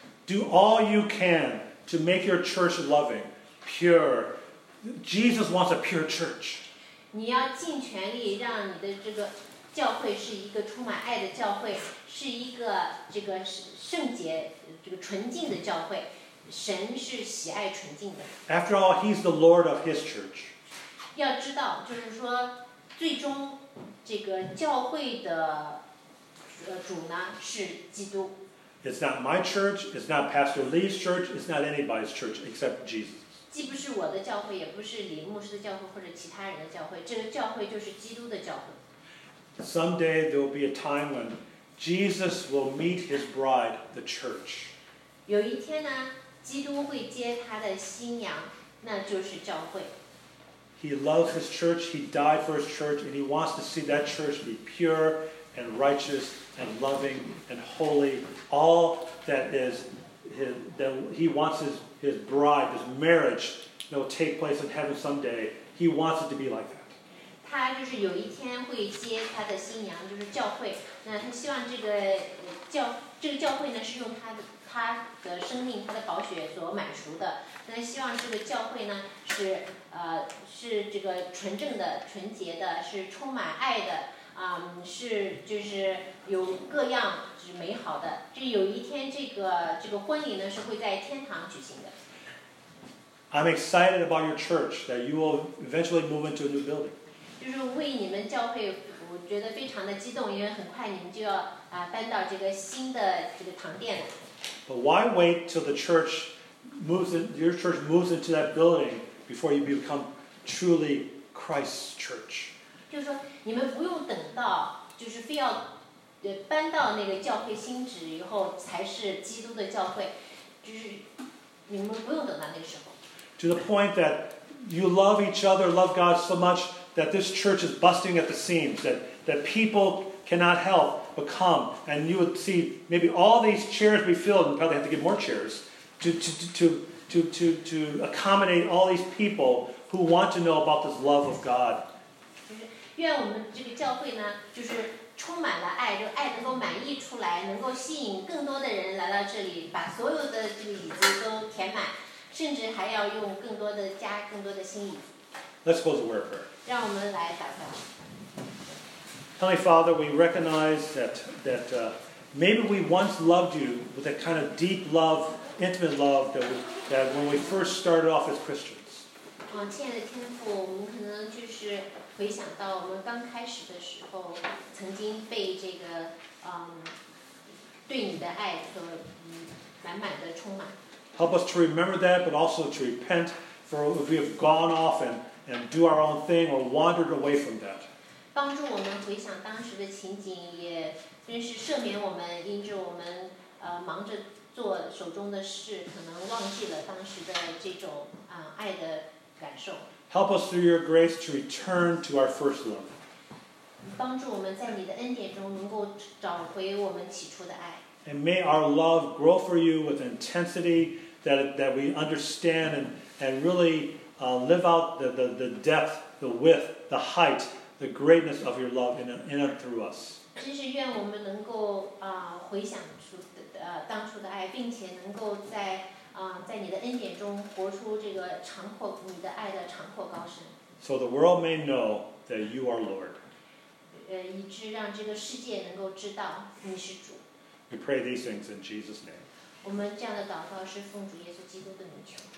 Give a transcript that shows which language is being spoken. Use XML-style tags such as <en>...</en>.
<en>Do all you can to make your church loving, pure. Jesus wants a pure church.</en> <zh>你要尽全力让你的这个教会是一个充满爱的教会，是一个这个圣洁。这个纯净的教会，神是喜爱纯净的。</zh> <en>After all, he's the Lord of his church.</en> <zh>要知道，就是说，最终这个教会的主呢是基督。</zh> <en>It's not my church. It's not Pastor Lee's church. It's not anybody's church except Jesus.</en> <zh>既不是我的教会，也不是李牧师的教会或者其他人的教会，这个教会就是基督的教会。</zh> <en>Someday there will be a time when. Jesus will meet his bride, the church.</en> <zh>有一天呢，基督会接他的新娘，那就是教会。</zh> <en>He loves his church, he died for his church, and he wants to see that church be pure and righteous and loving and holy. All that is, that he wants his bride, his marriage, that will take place in heaven someday. He wants it to be like that.</en> <zh>他就是有一天会接他的新娘，就是教会。那他希望这个教会呢，是用他的生命、他的宝血所满赎的。那他希望这个教会呢，是这个纯正的、纯洁的，是充满爱的，是就是有各样就是美好的。这有一天，这个婚礼呢，是会在天堂举行的。</zh> <en>I'm excited about your church that you will eventually move into a new building.</en> <zh>就是为你们教会，我觉得非常的激动，因为很快你们就要搬到这个新的这个堂殿了。</zh> <en>But why wait till the church moves your church moves into that building before you become truly Christ's church?</en> <zh>就是说你们不用等到就是非要搬到那个教会新址以后才是基督的教会，就是你们不用等到那个时候。</zh> <en>To the point that you love each other, love God so much that this church is busting at the seams, that people cannot help but come, and you would see maybe all these chairs be filled, and probably have to get more chairs to accommodate all these people who want to know about this love of God.</en> <zh>愿我们这个教会呢，就是充满了爱，就爱能够满溢出来，能够吸引更多的人来到这里，把所有的这个椅子都填满，甚至还要用更多的加更多的新椅子。</zh> <en>Let's close the word of prayer.</en> <zh>让我们来祷告。</zh> <en>Heavenly Father, we recognize that maybe we once loved you with that kind of deep love, intimate love that when we first started off as Christians.</en> <zh>亲爱的天父，我们可能就是回想到我们刚开始的时候，曾经被这个对你的爱和满满的充满。</zh> <en>Help us to remember that, but also to repent for if we have gone off and do our own thing or wandered away from that.</en> <zh>帮助我们回想当时的情景，也真是赦免我们，因着我们忙着做手中的事，可能忘记了当时的这种爱的感受。</zh> <en>Help us through your grace to return to our first love.</en> <zh>帮助我们在你的恩典中能够找回我们起初的爱。</zh> <en>And may our love grow for you with intensity that we understand and really live out the depth, the width, the height. The greatness of your love in and through us.</en> <zh>真是愿我们能够回想出当初的爱，并且能够在你的恩典中活出这个长阔你的爱的长阔高深。</zh> <en>So the world may know that you are Lord.</en> <zh>以致让这个世界能够知道你是主。</zh> <en>We pray these things in Jesus' name.</en> <zh>我们这样的祷告是奉主耶稣基督的名求。</zh>